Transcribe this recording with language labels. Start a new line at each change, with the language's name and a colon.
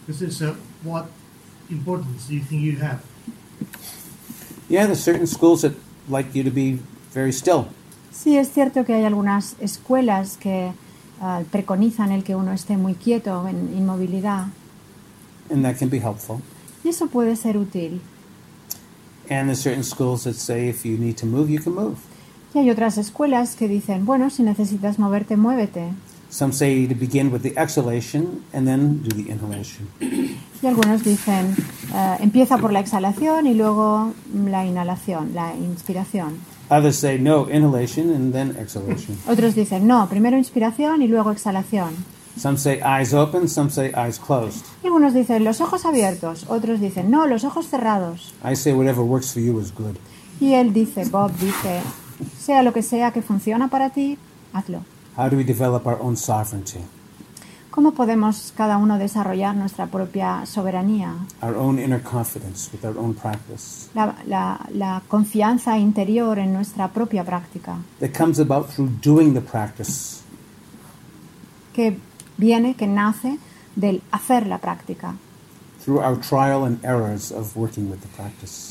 English: So what importance do you think you have? Yeah, there's certain schools that like you to be very still.
Spanish: Sí, es cierto que hay algunas escuelas que preconizan el que uno esté muy quieto, en inmovilidad.
English: And that can be helpful.
Spanish: Y eso puede ser útil.
English: And there's certain schools that say if you need to move, you can move.
Spanish: Y hay otras escuelas que dicen, bueno, si necesitas moverte, muévete.
English: Some say to begin with the exhalation and then do the inhalation.
Spanish: Y algunos dicen, empieza por la exhalación y luego la inhalación, la inspiración.
English: Others say no, inhalation and then exhalation.
Spanish: Otros dicen, no, primero inspiración y luego exhalación.
English: Some say eyes open, some say eyes closed.
Spanish: Y algunos dicen los ojos abiertos, otros dicen no, los ojos cerrados.
English: I say whatever works for you is good.
Spanish: Y él dice, Bob dice, sea lo que sea que funciona para ti, hazlo.
English: How do we develop our own sovereignty?
Spanish: ¿Cómo podemos cada uno desarrollar nuestra propia soberanía?
English: Our own inner confidence with our own practice.
Spanish: La confianza interior en nuestra propia práctica.
English: That comes about through doing the practice.
Spanish: Que viene, que nace del hacer la práctica.
English: Through our trial and errors of working with the practice,